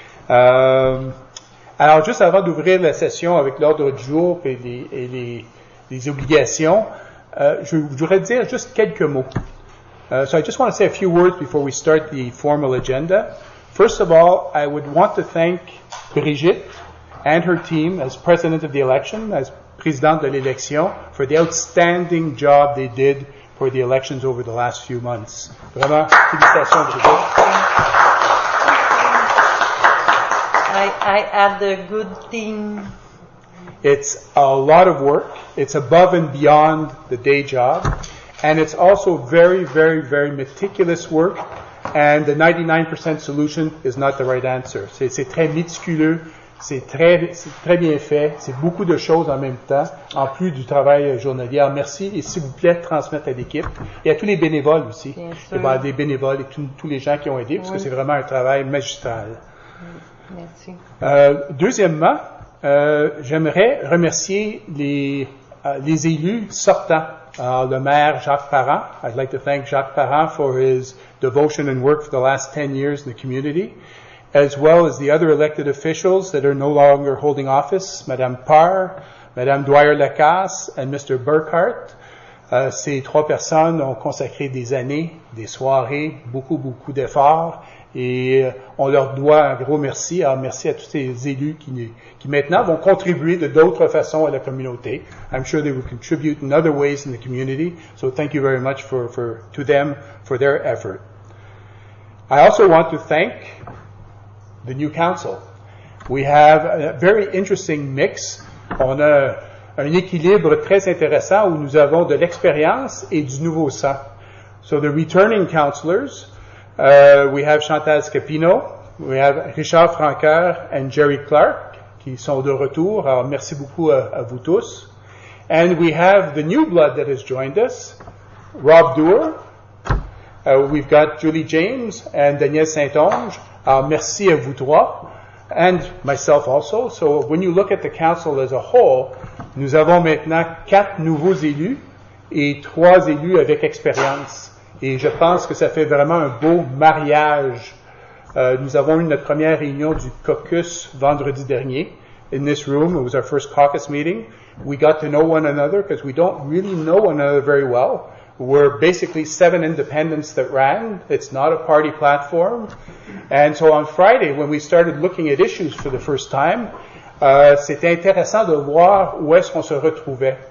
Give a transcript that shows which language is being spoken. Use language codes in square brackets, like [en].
[fr] Alors, juste avant d'ouvrir la session avec l'ordre du jour et les obligations, je voudrais dire juste quelques mots. [en] So I just want to say a few words before we start the formal agenda. First of all, I would want to thank Brigitte and her team as president of the election, as [fr] présidente de l'élection, [en] for the outstanding job they did for the elections over the last few months. [fr] Vraiment, félicitations, Brigitte. [en] I add the good thing. It's a lot of work. It's above and beyond the day job. And it's also very, very, very meticulous work. And the 99% solution is not the right answer. [fr] C'est très méticuleux. C'est très bien fait. C'est beaucoup de choses en même temps, en plus du travail journalier. Alors, merci. Et s'il vous plaît, transmettre à l'équipe. Et à tous les bénévoles aussi. Bien sûr. Et des bénévoles et tous les gens qui ont aidé, parce que c'est vraiment un travail magistral. Merci. Deuxièmement, j'aimerais remercier les élus sortants. Le maire Jacques Parent. [en] I'd like to thank Jacques Parent for his devotion and work for the last 10 years in the community, as well as the other elected officials that are no longer holding office, Madame Parr, Madame Dwyer-Lacasse, and Mr. Burkhart. [fr] Ces trois personnes ont consacré des années, des soirées, beaucoup, beaucoup d'efforts, et on leur doit un gros merci. Alors, merci à tous ces élus qui maintenant vont contribuer de d'autres façons à la communauté. [en] I'm sure they will contribute in other ways in the community, so thank you very much to them for their effort. I also want to thank the new council. We have a very interesting mix. [fr] On a un équilibre très intéressant où nous avons de l'expérience et du nouveau sang. [en] So the returning counselors, we have Chantal Scapino, we have Richard Francoeur and Jerry Clark, [fr] qui sont de retour. Alors, merci beaucoup à vous tous. [en] And we have the new blood that has joined us, Rob Duer. We've got Julie James and Daniel Saint-Onge. [fr] Alors, merci à vous trois. [en] And myself also. So when you look at the council as a whole, [fr] nous avons maintenant quatre nouveaux élus et trois élus avec expérience. Et je pense que ça fait vraiment un beau mariage. Nous avons eu notre première réunion du caucus vendredi dernier. [en] In this room, it was our first caucus meeting. We got to know one another because we don't really know one another very well. We're basically seven independents that ran. It's not a party platform. And so on Friday, when we started looking at issues for the first time, [fr] c'était intéressant de voir où est-ce qu'on se retrouvait.